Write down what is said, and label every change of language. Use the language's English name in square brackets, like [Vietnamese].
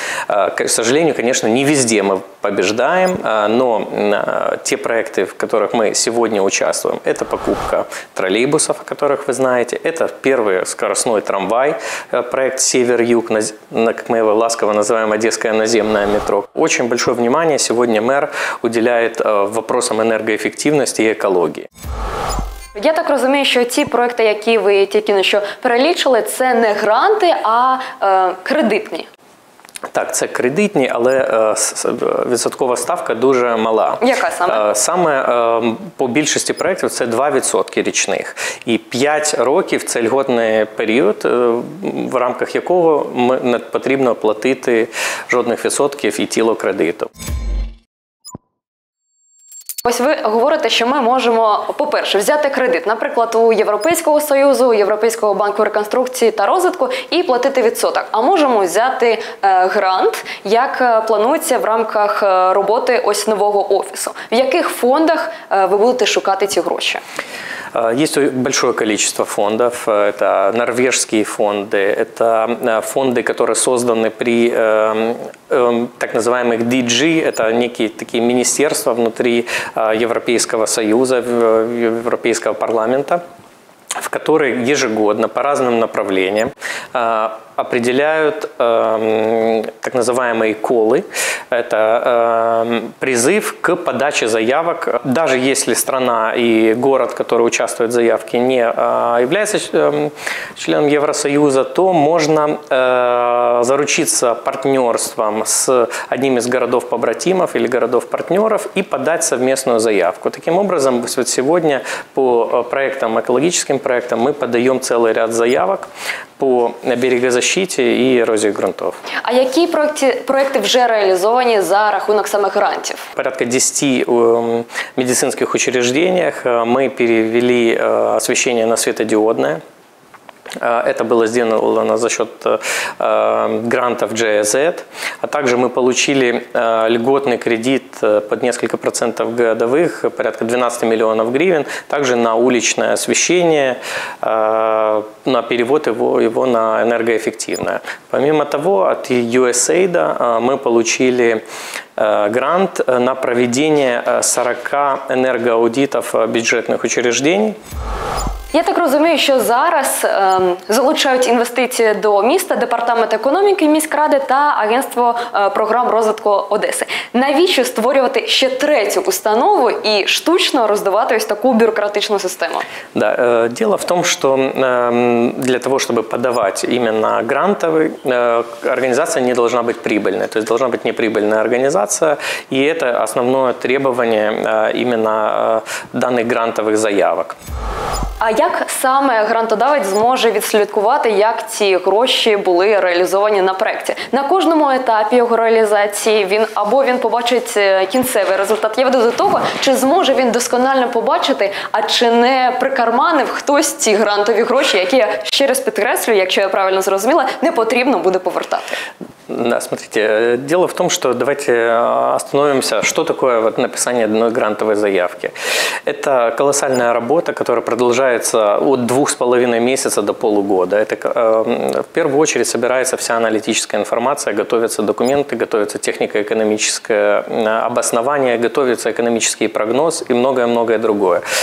[Russian] К сожалению, конечно, не везде мы побеждаем, но те проекты, в которых мы сегодня участвуем, это покупка троллейбусов, о которых вы знаете, это первый скоростной трамвай, проект «Север-Юг», как мы его ласково называем, «Одесское наземное метро». Очень большое внимание сегодня мэр уделяет вопросам энергоэффективности и экологии. [Ukrainian] Я так розумію, що ті проекти, які ви тільки що перелічили, це не гранти, а кредитні. Так, це кредитні, але відсоткова ставка дуже мала. Яка саме? По більшості проєктів це 2% річних. І 5 років – це льготний період, в рамках якого не потрібно платити жодних відсотків і тіло кредиту. Ось ви говорите, що ми можемо, по-перше, взяти кредит, наприклад, у Європейського Союзу, у Європейського банку реконструкції та розвитку, і платити відсоток. А можемо взяти грант, як планується в рамках роботи ось нового офісу. В яких фондах ви будете шукати ці гроші? [Russian] Есть большое количество фондов. Это норвежские фонды, это фонды, которые созданы при так называемых DG, это некие такие министерства внутри Европейского Союза, Европейского парламента, в которые ежегодно по разным направлениям определяют так называемые колы. Это призыв к подаче заявок. Даже если страна и город, который участвует в заявке, не является членом Евросоюза, то можно заручиться партнерством с одним из городов-побратимов или городов-партнеров и подать совместную заявку. Таким образом, вот сегодня по проектам, экологическим проектам, мы подаем целый ряд заявок по берегозащите [Ukrainian] і ерозії ґрунтів. А які проекти вже реалізовані за рахунок саме грантів? Порядка 10 медицинських учреждень ми перевели освітлення на світодіодне. [Russian] Это было сделано за счет грантов GIZ, а также мы получили льготный кредит под несколько процентов годовых, порядка 12 миллионов гривен, также на уличное освещение, на перевод его на энергоэффективное. Помимо того, от USAID мы получили грант на проведение 40 энергоаудитов бюджетных учреждений. [Ukrainian] Я так розумію, що зараз залучають інвестиції до міста департамент економіки міськради та агентство програм розвитку Одеси. Навіщо створювати ще третю установу і штучно роздувати ось таку бюрократичну систему? Да, діло в тому, що для того, щоб подавати іменно грантові, організація не повинна бути прибильною. Тобто, повинна бути неприбильна організація. І це основне требування іменно даних грантових заявок. А як саме грантодавець зможе відслідкувати, як ці гроші були реалізовані на проєкті. На кожному етапі його реалізації він побачить кінцевий результат. Я веду до того, чи зможе він досконально побачити, а чи не прикарманив хтось ці грантові гроші, які я ще раз підкреслю, якщо я правильно зрозуміла, не потрібно буде повертати. [Russian] Да, смотрите, дело в том, что давайте остановимся, что такое вот написание одной грантовой заявки. Это колоссальная работа, которая продолжается от 2,5 месяца до полугода. Это в первую очередь собирается вся аналитическая информация, готовятся документы, готовится технико-экономическое обоснование, готовится экономический прогноз и многое-многое другое.